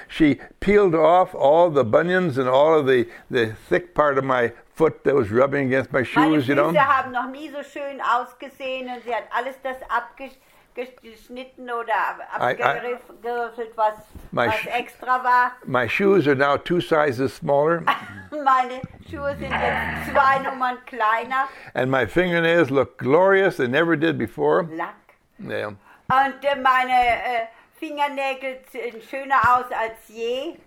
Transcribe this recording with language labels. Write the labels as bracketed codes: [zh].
[en] She peeled off all the bunions and all of the thick part of my foot that was rubbing against my shoes, you know. [de] Meine Füße haben noch nie so schön ausgesehen und sie hat alles das abgeschnitten oder abgeriffelt, was extra war. [en] My shoes are now two sizes smaller. [de] Meine Schuhe sind jetzt zwei Nummern kleiner. [en] And my fingernails look glorious, they never did before. [de] Lack. Yeah. Und meine Fingernägel sind schöner aus als je.